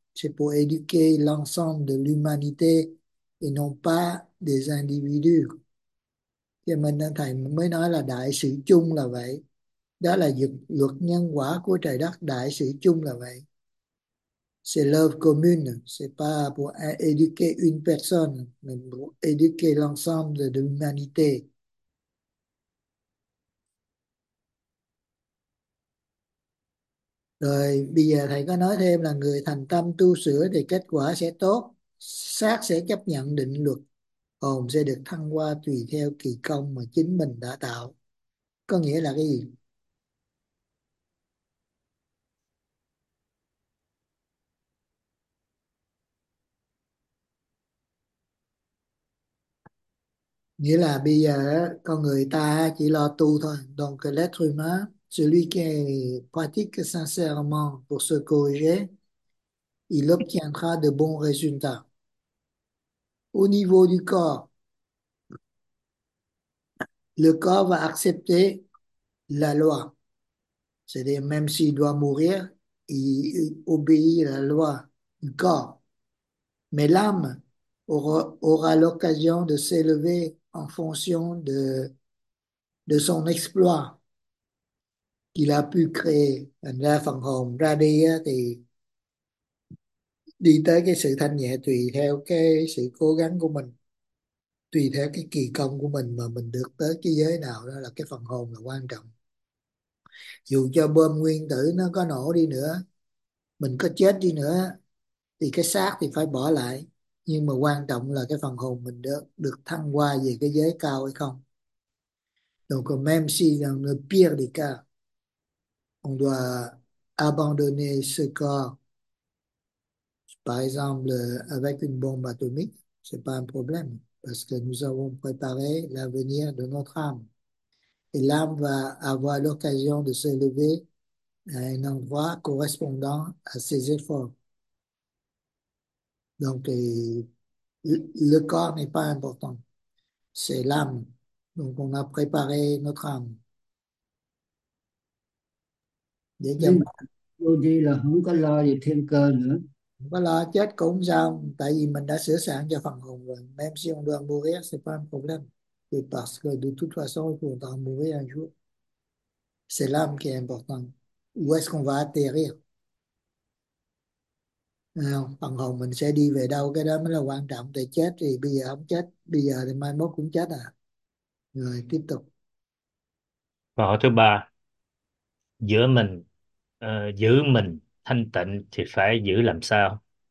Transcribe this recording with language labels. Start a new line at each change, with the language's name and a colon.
French: C'est pour éduquer l'ensemble de l'humanité et non pas des individus.
Vietnamese: Thì mình thầy mới nói là đại sự chung là vậy, Đó là luật nhân quả của trời đất, đại sự chung là vậy.
French: C'est l'œuvre commune, c'est pas pour éduquer une personne, mais pour éduquer l'ensemble de l'humanité.
Vietnamese: Rồi, bây giờ thầy có nói thêm là người thành tâm tu sửa thì kết quả sẽ tốt, xác sẽ chấp nhận định luật, hồn sẽ được thăng hoa tùy theo kỳ công mà chính mình đã tạo. Có nghĩa là cái gì? Nghĩa là bây giờ con người ta chỉ lo tu thôi.
French: Donc l'être humain, celui qui pratique sincèrement pour se corriger, il obtiendra de bons résultats. Au niveau du corps, le corps va accepter la loi. C'est-à-dire, même s'il doit mourir, il obéit à la loi du corps. Mais l'âme aura l'occasion de s'élever en fonction de son exploit qu'il a pu créer.
Vietnamese: Thành ra phần hồn ra đi á, thì đi tới cái sự thanh nhẹ tùy theo cái sự cố gắng của mình, tùy theo cái kỳ công của mình mà mình được tới cái giới nào, đó là cái phần hồn là quan trọng. Dù cho bom nguyên tử nó có nổ đi nữa, mình có chết đi nữa thì cái xác thì phải bỏ lại, nhưng mà quan trọng là cái phần hồn mình được được thăng hoa về cái giới cao hay không.
French: Donc même si dans le pire des cas, on doit abandonner ce corps, par exemple avec une bombe atomique, c'est pas un problème parce que nous avons préparé l'avenir de notre âme. Et l'âme va avoir l'occasion de s'élever à un endroit correspondant à ses efforts. Donc, le corps n'est pas important, c'est l'âme. Donc, on a préparé notre âme.
Vietnamese: Để cho Nên tôi đi là không có lo gì thiên cơ nữa. không có lo chết cũng sao, tại vì mình đã sửa sẵn cho phần hồn rồi.
French: Même si on doit mourir, c'est pas un problème. Et parce que de toute façon, on doit mourir un jour. C'est l'âme qui est importante. Où est-ce qu'on va atterrir?
Vietnamese: Phần hồn mình sẽ đi về đâu, cái đó mới là quan trọng. Thì chết thì bây giờ không chết, bây giờ thì mai mốt cũng chết à. Rồi tiếp tục. Câu hỏi thứ ba, giữa mình giữ mình thanh tịnh thì phải giữ làm sao?